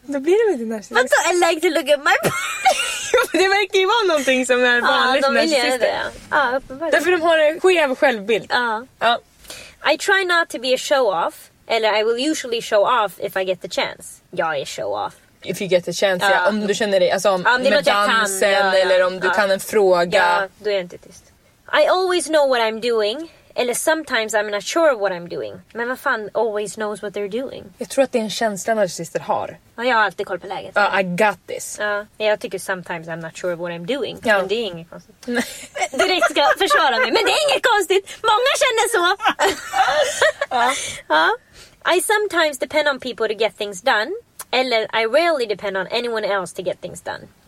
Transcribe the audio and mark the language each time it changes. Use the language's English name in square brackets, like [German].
[Swedish] Då blir det väl inte narcissist. [English] Vadå, I like to look at my body. [Swedish] Det verkar ju vara någonting som är vanligt narcissister. Ja, uppenbarligen. Därför de har en skev självbild. Ja. Ja. [English] I try not to be a show-off, eller I will usually show-off if I get the chance. [Swedish] Jag är show-off. [English] If you get the chance, ja. [Swedish] Om du känner dig, alltså om med dansen, kan, ja, eller om du kan en fråga. Ja, då är jag inte tyst. [English] I always know what I'm doing, eller sometimes I'm not sure what I'm doing. [Swedish] Men vad fan, [English] always knows what they're doing. [Swedish] Jag tror att det är en känsla narcissister har. Ja, jag har alltid koll på läget. [English] I got this. [Swedish] Ja, jag tycker [English] sometimes I'm not sure what I'm doing. [Swedish] Ja. Men det är inget konstigt. Direkt ska försvara mig, men det är inget konstigt. Många känner så. Ja. [English] Ja. I sometimes depend on people to get things done, eller I rarely depend on anyone else to get things done.